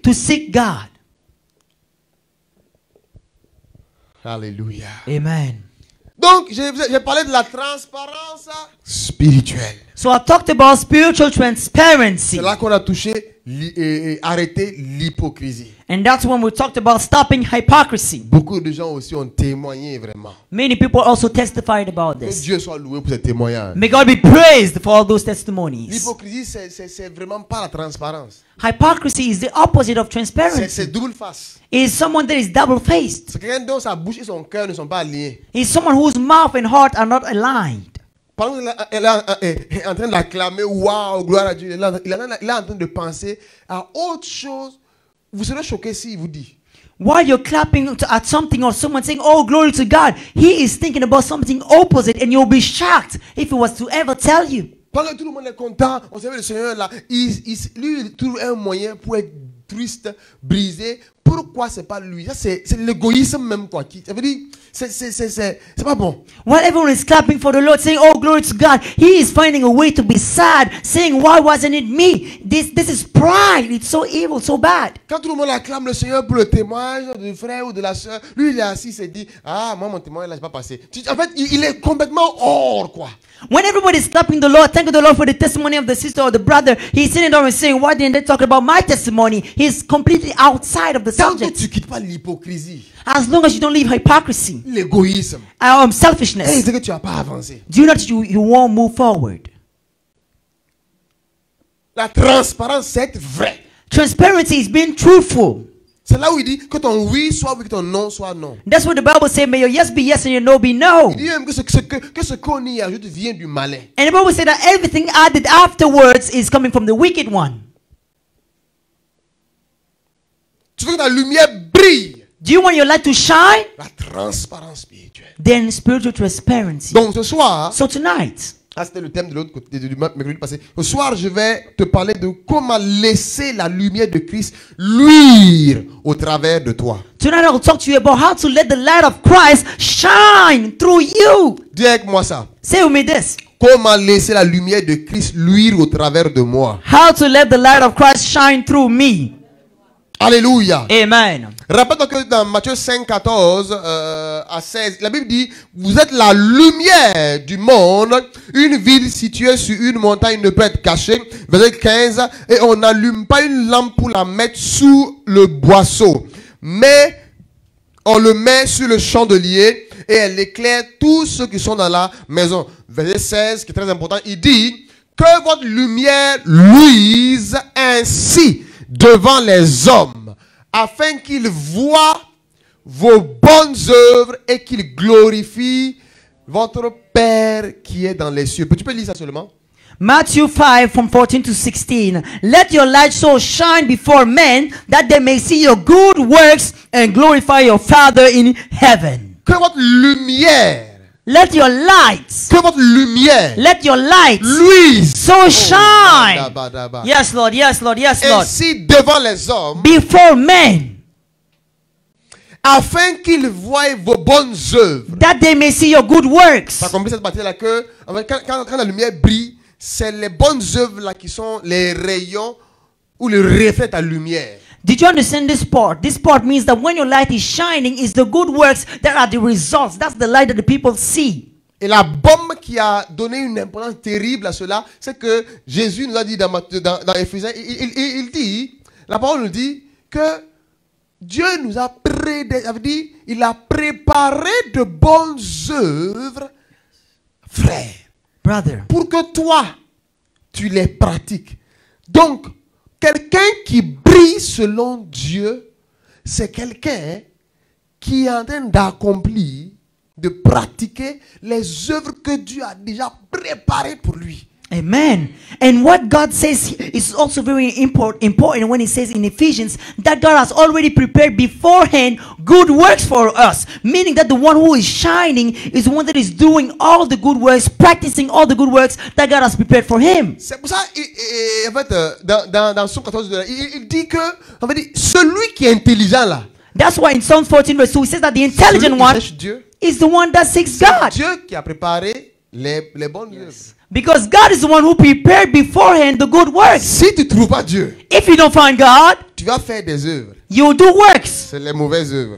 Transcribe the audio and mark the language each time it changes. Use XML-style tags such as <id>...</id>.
<en>To seek God.</en> <fr>Alléluia.</fr> <en>Amen.</en> <fr>Donc, j'ai parlé de la transparence spirituelle.</fr> <en>So I talked about spiritual transparency.</en> <fr>C'est là qu'on a touché et arrêté l'hypocrisie.</fr> <en>And that's when we talked about stopping hypocrisy.</en> <fr>Beaucoup de gens aussi ont témoigné vraiment.</fr> <en>Many people also testified about this.</en> <fr>Que Dieu soit loué pour ces témoignages.</fr> <en>May God be praised for all those testimonies.</en> <fr>L'hypocrisie, c'est vraiment pas la transparence.</fr> <en>Hypocrisy is the opposite of transparency.</en> <fr>C'est double face.</fr> <en>Is someone that is double faced.</en> <fr>C'est quelqu'un dont sa bouche et son cœur ne sont pas alignés.</fr> <en>Is someone whose mouth and heart are not aligned.</en> <fr>Pendant qu'elle est en train d'acclamer, waouh, gloire à Dieu, il est en train de penser à autre chose. Vous serez choqué si il vous dit.</fr> <en>While you're clapping at something or someone saying, oh, glory to God, he is thinking about something opposite and you'll be shocked if he was to ever tell you.</en> <fr>Pendant que tout le monde est content, on sait que le Seigneur là, lui, il trouve un moyen pour être triste, brisé, Pourquoi c'est pas lui? C'est l'égoïsme même quoi. Qui, ça veut dire, c'est pas bon.</fr> <en>While everyone is clapping for the Lord, saying, oh glory to God, he is finding a way to be sad, saying, why wasn't it me? This is pride. It's so evil, so bad.</en> <fr>Quand tout le monde acclame le Seigneur pour le témoignage du frère ou de la soeur, lui il est assis, il se dit, ah, moi mon témoignage là, j'ai pas passé. En fait, il est complètement hors quoi.</fr> <en>When everybody is clapping the Lord, thanking the Lord for the testimony of the sister or the brother, he's sitting down and saying, why didn't they talk about my testimony? He's completely outside of the subject.</en> <fr>Tant que tu quittes pas l'hypocrisie,</fr> <en>as long as you don't leave hypocrisy,</en> <fr>l'égoïsme,</fr> <en>selfishness,</en> <fr>hey, c'est que tu as pas avancé.</fr> <en>Do you know that you won't move forward?</en> <fr>La transparence, c'est être vrai.</fr> <en>Transparency is being truthful.</en> <fr>C'est là où il dit que ton oui soit oui, que ton non soit non.</fr> <en>That's what the Bible says. May your yes be yes and your no be no.</en> <fr>Il dit même que ce qu'on y ajoute vient du malin.</fr> <en>And the Bible says that everything added afterwards is coming from the wicked one.</en> <fr>Tu veux que ta lumière brille?</fr> <en>Do you want your light to shine?</en> <fr>La transparence spirituelle.</fr> <en>Then spiritual transparency.</en> <fr>Donc ce soir.</fr> <en>So tonight.</en> <fr>Ah, c'était le thème de l'autre côté du mercredi passé. Ce soir, je vais te parler de comment laisser la lumière de Christ luire au travers de toi.</fr> <en>Tonight, I'll talk to you about how to let the light of Christ shine through you.</en> <fr>Dis avec moi ça.</fr> <en>Say with me this.</en> <fr>Comment laisser la lumière de Christ luire au travers de moi?</fr> <en>How to let the light of Christ shine through me?</en> <fr>Alléluia.</fr> <en>Amen.</en> <fr>Rappelle-toi que dans Matthieu 5, 14 à 16, la Bible dit, vous êtes la lumière du monde. Une ville située sur une montagne ne peut être cachée. Verset 15, et on n'allume pas une lampe pour la mettre sous le boisseau, mais on le met sur le chandelier et elle éclaire tous ceux qui sont dans la maison. Verset 16, qui est très important, il dit, que votre lumière luise ainsi devant les hommes, afin qu'ils voient vos bonnes œuvres et qu'ils glorifient votre Père qui est dans les cieux. Tu peux lire ça seulement?</fr> <en>Matthew 5, from 14 to 16. Let your light so shine before men that they may see your good works and glorify your Father in heaven.</en> <fr>Que votre lumière.</fr> <en>Let your light.</en> <fr>Que votre lumière.</fr> <en>Let your light.</en> <fr>Luise.</fr> <en>So shine. Oh, da ba. Yes, Lord. Yes, Lord. Yes,</en> <fr>ainsi,</fr> <en>Lord.</en> <fr>Ainsi devant les hommes.</fr> <en>Before men.</en> <fr>Afin qu'ils voient vos bonnes œuvres.</fr> <en>That they may see your good works.</en> <fr>T'as compris cette partie là que en fait, quand la lumière brille, c'est les bonnes œuvres là qui sont les rayons ou le reflet de ta lumière.</fr> <en>Did you understand this part? This part means that when your light is shining, it's the good works that are the results. That's the light that the people see.</en> <fr>Et la bombe qui a donné une importance terrible à cela, c'est que Jésus nous a dit dans Éphésiens, il dit, la parole nous dit que Dieu nous a préparé de bonnes œuvres, frère,</fr> <en>brother,</en> <fr>pour que toi, tu les pratiques. Donc, quelqu'un qui brille selon Dieu, c'est quelqu'un qui est en train d'accomplir, de pratiquer les œuvres que Dieu a déjà préparées pour lui.</fr> <en>Amen. And what God says is also very important when he says in Ephesians that God has already prepared beforehand good works for us. Meaning that the one who is shining is the one that is doing all the good works, practicing all the good works that God has prepared for him.</en> <fr>C'est pour ça, en fait, dans Psaume 14, il dit que en fait, celui qui est intelligent là.</fr> <en>That's why in Psalm 14 verse 2, he says that the intelligent one</en> <fr>Dieu,</fr> <en>is the one that seeks God.</en> <fr>Dieu qui a préparé les bonnes œuvres.</fr> <en>Because God is the one who prepared beforehand the good works.</en> <fr>Si tu trouves pas Dieu,</fr> <en>if you don't find God,</en> <fr>tu vas faire des œuvres.</fr> <en>You will do works.</en> <fr>C'est les mauvaises œuvres.</fr>